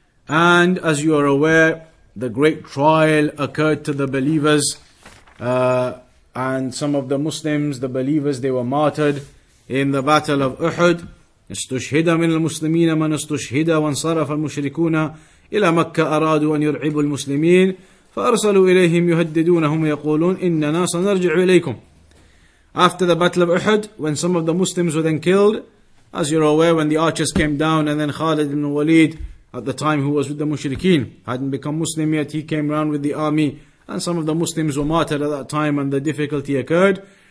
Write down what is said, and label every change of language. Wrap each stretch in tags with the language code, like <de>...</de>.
<en>And as you are aware, the great trial occurred to the believers, and some of the Muslims, the believers, they were martyred in the battle of Uhud.</en> <ar>استشهد من المسلمين من استشهد وانصرف المشركون إلى مكة أرادوا أن يرعبوا المسلمين فأرسلوا إليهم يهددونهم يقولون إننا سنرجع إليكم.</ar> <en>After the battle of Uhud, when some of the Muslims were then killed, as you're aware, when the archers came down, and then Khalid ibn Walid, at the time who was with the Mushrikeen, hadn't become Muslim yet, he came round with the army, and some of the Muslims were martyred at that time, and the difficulty occurred.</en>